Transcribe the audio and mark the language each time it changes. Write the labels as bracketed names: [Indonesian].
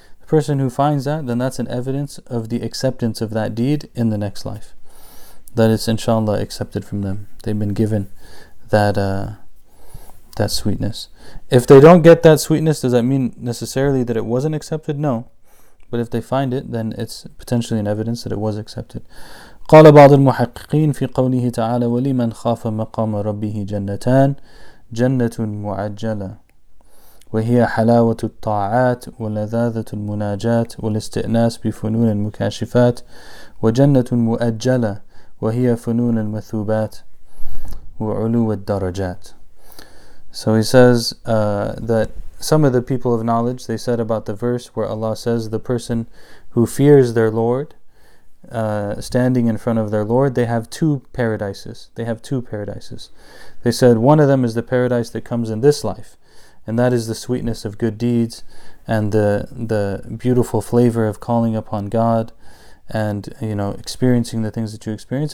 [English] The person who finds that, then that's an evidence of the acceptance of that deed in the next life. That it's inshallah accepted from them. They've been given that sweetness. If they don't get that sweetness, does that mean necessarily that it wasn't accepted? No. But if they find it, then it's potentially an evidence that it was accepted. [Arabic] قال بعض المحققين في قوله تعالى وَلِمَنْ خَافَ مَقَامَ رَبِّهِ جَنَّتَانْ جَنَّةٌ مُعَجَّلَةٌ وهي حلاوة الطاعات ولذاذة المناجات والاستئناس بفنون المكاشفات وجنة مؤجلة وهي فنون المثوبات وعلو الدرجات. [English] So he says that some of the people of knowledge, they said about the verse where Allah says the person who fears their Lord, standing in front of their Lord, they have two paradises. They have two paradises. They said one of them is the paradise that comes in this life, and that is the sweetness of good deeds and the beautiful flavor of calling upon God and, you know, experiencing the things that you experience.